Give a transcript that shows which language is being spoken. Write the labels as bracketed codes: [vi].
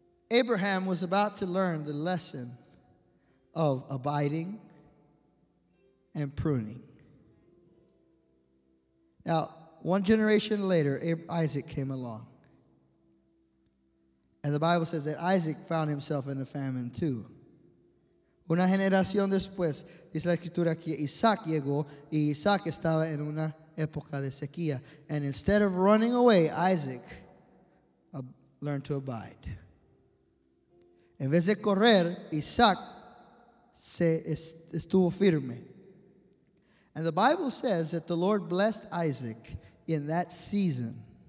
[en] Abraham was about to learn the lesson of abiding and pruning. Now, one generation later, Isaac came along. And the Bible says that Isaac found himself in a famine too. [es] Una generación después, dice la escritura que Isaac llegó y Isaac estaba en una época de sequía. [en] And instead of running away, Isaac learned to abide. [es] En vez de correr, Isaac se estuvo firme. [en] And the Bible says that the Lord blessed Isaac in that season.